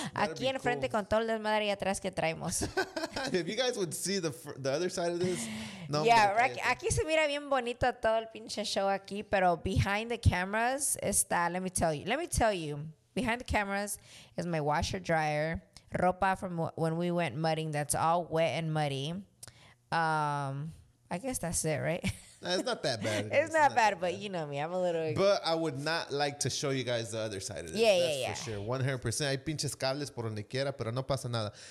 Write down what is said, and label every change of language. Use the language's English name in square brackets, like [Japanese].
[Spanish] Aquí en frente con todo el desmadre y atrás que traemos. [English] If you guys would see the other side of this. [Spanish] No, [English] yeah, [Spanish] aquí se mira bien bonito todo el pinche show aquí, pero [English] behind the cameras está, let me tell you, behind the cameras is my washer dryer, ropa from when we went mudding that's all wet and muddy. I guess that's it, right? Nah, it's not that bad. It's not bad, but you know me, I'm a little. But I would not like to show you guys the other side of this. Yeah, that's for sure. 100%. [Spanish] Hay pinches cables por donde quiera, pero no pasa nada.